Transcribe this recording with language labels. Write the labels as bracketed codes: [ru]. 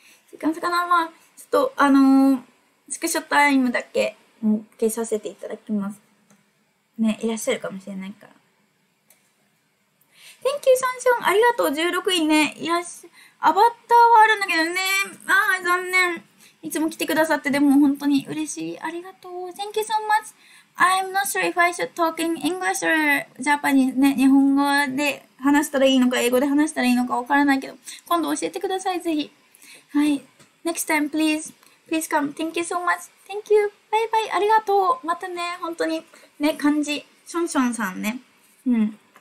[ja] 時間差かな、まあ、ちょっと、スクショタイムだけ、もう消させていただきます。ね、いらっしゃるかもしれないから。 [en] Thank you, [ja] Sunshine. ありがとう。16位ね。いらっしゃ、アバターはあるんだけどね。あー、残念。いつも来てくださって、でも本当に嬉しい。ありがとう。 [en] Thank you so much. I'm not sure if I should talk in English or Japanese. [ja] ね、日本語で話したらいいのか、英語で話したらいいのかわからないけど、今度教えてください、ぜひ。はい。 [en] Next time, please. Please come. Thank you so much. Thank you. Bye bye. [ja] ありがとう。またね、本当に。ね、漢字。 Sunshine さんね。うん。